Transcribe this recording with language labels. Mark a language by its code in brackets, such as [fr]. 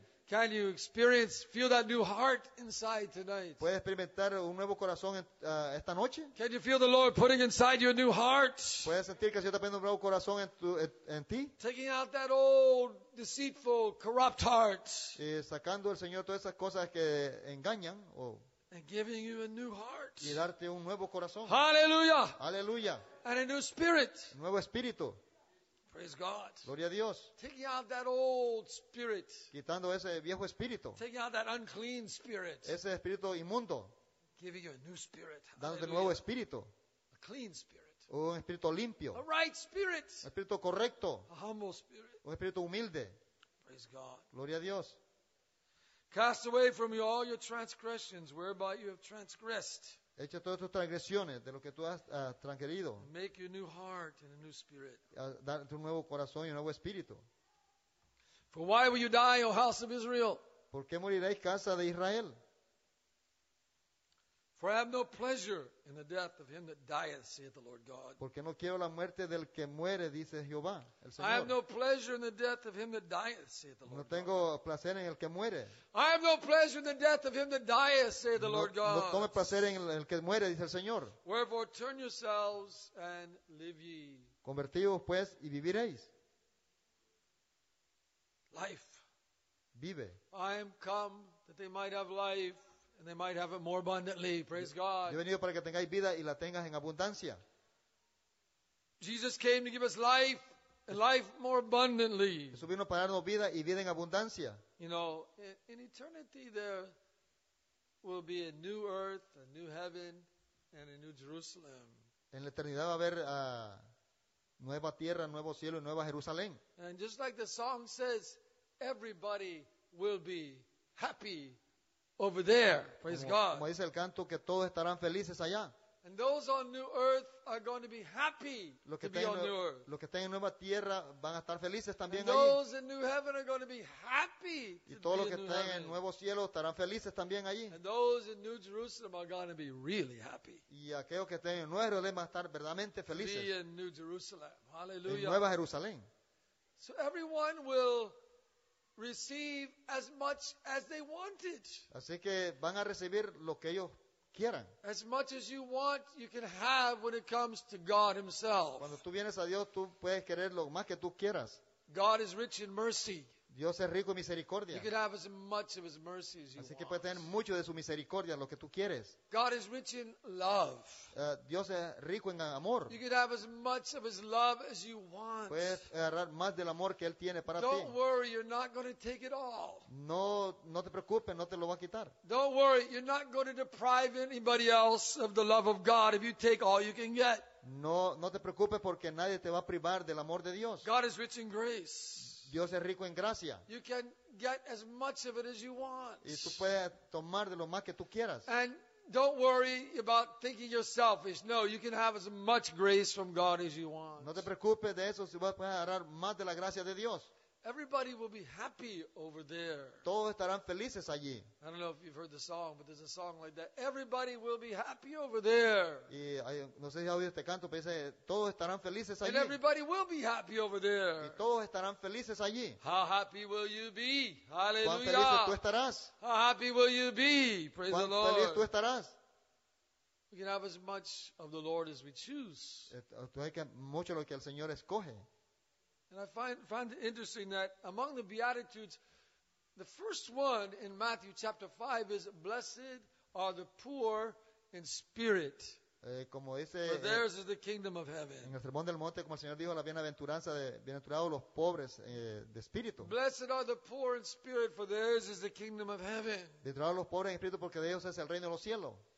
[en] Can you experience, feel that new heart inside tonight? [es] ¿Puedes experimentar un nuevo corazón esta noche? [en] Can you feel the Lord putting inside you a new heart? [es] ¿Puedes sentir que Dios está poniendo un nuevo corazón en ti? [en] Taking out that old, deceitful, corrupt heart. [es] Y sacando el Señor todas esas cosas que engañan o [en] and giving you a new heart. [es] Y darte un nuevo corazón. [en] Hallelujah. Hallelujah. And a new spirit. [es] Un nuevo espíritu. [en] Praise God. [es] Gloria a Dios. [en] Taking out that old spirit. [es] Quitando ese viejo espíritu. [en] Taking out that unclean spirit. [es] Ese espíritu inmundo. [en] Giving you a new spirit. [es] Dándote un nuevo espíritu. [en] A clean spirit. [es] Un espíritu limpio. [en] A right spirit. [es] Un espíritu correcto. [en] A humble spirit. [es] Un espíritu humilde. [en] Praise God. [es] Gloria a Dios. [en] Cast away from you all your transgressions whereby you have transgressed. [es] Echa todas tus transgresiones de lo que tú has transgredido. [en] Make you a new heart and a new spirit. [es] Darte un nuevo corazón y un nuevo espíritu. [en] For why will you die, O house of Israel? [es] ¿Por qué moriréis, casa de Israel? [en] For I have no pleasure in the death of him that dieth, saith the Lord God. [es] Porque no quiero la muerte del que muere, dice Jehová, el Señor. [en] I have no pleasure in the death of him that dieth, saith the Lord God. [es] No tengo placer en el que muere. [en] I have no pleasure in the death of him that dieth, saith the Lord God. [es] No tome placer en el que muere, dice el Señor. [en] Wherefore turn yourselves and live ye. [es] Convertíos pues y viviréis. [en] Life. [es] Vive. [en] I am come that they might have life. And they might have it more abundantly. Praise God. [es] Yo he venido para que tengáis vida y la tengas en abundancia. [en] Jesus came to give us life, and life more abundantly. [es] Jesús vino para darnos vida y vida en abundancia. [en] You know, in eternity there will be a new earth, a new heaven, and a new Jerusalem. [es] En la eternidad va a haber nueva tierra, nuevo cielo y nueva Jerusalén. [en] And just like the song says, everybody will be happy. Over there, praise God. [es] Como dice el canto, que todos estarán felices allá. [en] And those on new earth are going to be happy to be on new earth. [es] Los que estén en nueva tierra van a estar felices también allí. [en] Those in new heaven are going to be happy to be in new heaven. [es] Y todos los que estén en nuevo cielo estarán felices también allí. [en] And those in new Jerusalem are going to be really happy. [es] Y aquellos que estén en nueva Jerusalén van a estar verdaderamente felices. [en] Be in new Jerusalem, hallelujah. [es] En nueva Jerusalén. [en] So everyone will receive as much as they wanted. [es] Así que van a recibir lo que ellos quieran. [en] As much as you want, you can have when it comes to God Himself. [es] Cuando tú vienes a Dios, tú puedes querer lo más que tú quieras. [en] God is rich in mercy. [es] Dios es rico en misericordia. [en] You can have as much of His mercy as you want. [es] Así que puedes tener mucho de su misericordia, lo que tú quieres. [en] God is rich in love. [es] Dios es rico en amor. [en] You can have as much of His love as you want. [es] Puedes agarrar más del amor que Él tiene para ti. [en] Don't worry, you're not going to take it all. [es] No te preocupes, no te lo va a quitar. [en] Don't worry, you're not going to deprive anybody else of the love of God if you take all you can get. [es] No te preocupes porque nadie te va a privar del amor de Dios. [en] God is rich in grace. [es] Dios es rico en gracia. [en] You can get as much of it as you want. [es] Y tú puedes tomar de lo más que tú quieras. [en] And don't worry about thinking you're selfish. No, you can have as much grace from God as you want. [es] No te preocupes de eso, si vas a agarrar más de la gracia de Dios. [en] Everybody will be happy over there. [es] Todos estarán felices allí. [en] I don't know if you've heard the song, but there's a song like that. Everybody will be happy over there. [es] Y no sé si has oído este canto, pero dice todos estarán felices allí. [en] And everybody will be happy over there. [es] Y todos estarán felices allí. [en] How happy will you be? Hallelujah. [es] ¿Cuán feliz tú estarás? [en] How happy will you be? Praise the Lord. [es] ¿Cuán feliz tú estarás? [en] We can have as much of the Lord as we choose. [es] Hay que mucho lo que el Señor escoge. [en] And I find it interesting that among the Beatitudes, the first one in Matthew chapter 5 is, blessed are the poor in spirit. [es] Como dice, [en] for theirs is the kingdom of heaven. [es] En el Sermón del Monte, como el Señor dijo, la bienaventuranza de bienaventurados los pobres de espíritu. [en] Blessed are the poor in spirit, for theirs is the kingdom of heaven. [es] Bienaventurados los pobres en espíritu, porque de ellos es el reino de los cielos.